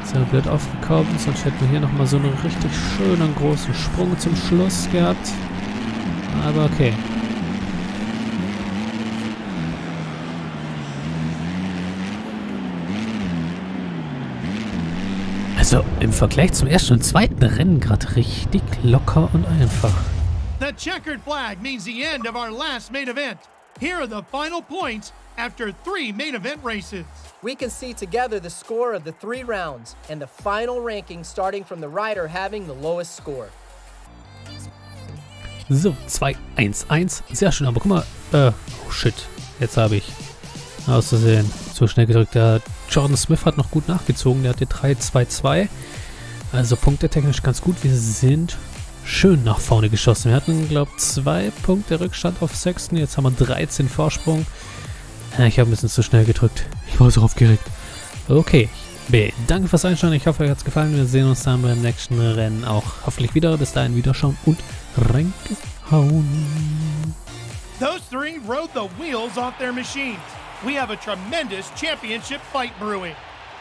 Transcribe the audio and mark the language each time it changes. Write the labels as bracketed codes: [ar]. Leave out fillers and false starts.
[de] Blöd aufgekommen, sonst hätten wir hier nochmal so einen richtig schönen großen Sprung zum Schluss gehabt. Aber okay. Also im Vergleich zum ersten und zweiten Rennen gerade richtig locker und einfach. [en] The checkered flag means the end of our last main event. Here are the final points after 3 main event races. We can see together the score of the 3 rounds and the final ranking starting from the rider having the lowest score. [de] So, 2-1-1. Sehr schön, aber guck mal. Oh shit. Jetzt habe ich auszusehen. Zu schnell gedrückt. Der Jordan Smith hat noch gut nachgezogen. Der hatte 3-2-2. Also punktetechnisch ganz gut. Wir sind schön nach vorne geschossen. Wir hatten, glaube ich, 2 Punkte Rückstand auf 6. Jetzt haben wir 13 Vorsprung. Ich habe ein bisschen zu schnell gedrückt. Ich war so aufgeregt. Okay. Danke fürs Einschauen. Ich hoffe, euch hat es gefallen. Wir sehen uns dann beim nächsten Rennen auch hoffentlich wieder. Bis dahin, wiederschauen und reingehauen. [en] Those 3 rode the wheels off their machines. We have a tremendous championship fight brewing.